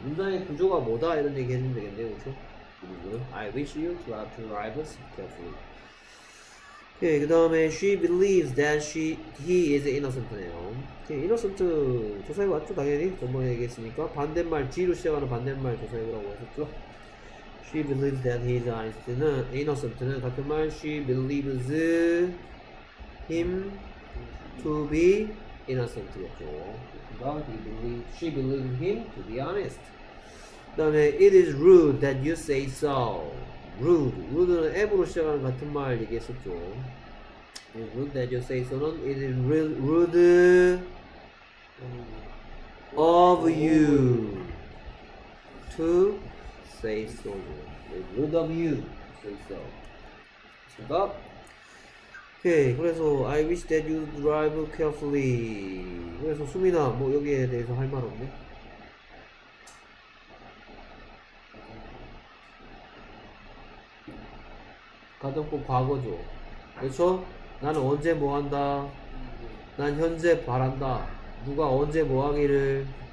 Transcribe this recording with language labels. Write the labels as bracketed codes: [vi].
[ko] 문장의 구조가 뭐다 이런 얘기 해주면 되겠네요. 그렇죠? [en] I wish you to have to drive carefully. 오케이. [ko] 그 다음에 [en] she believes that he is innocent네요. 오케이. [ko] innocent 조사해봤죠. 당연히 전번에 얘기했으니까 반대말 G로 시작하는 반대말 조사해보라고 하셨죠. [en] She believes that he is innocent는 같은 말 She believes him to be innocent 였죠. She believes him to be honest. 그 다음에 It is rude that you say so. Rude. [ko] Rude는 F로 시작하는 같은 말 얘기했었죠. [en] It is rude that you say so는 It is rude of you to say so. Good of you, say so. 됐습니까? Okay, [ko] 그래서 [en] I wish that you drive carefully. [ko] 그래서 수민아, 뭐 여기에 대해서 할 말 없네? 가정법 과거죠. 그렇죠? 나는 언제 뭐 한다? 난 현재 바란다. 누가 언제 뭐 하기를?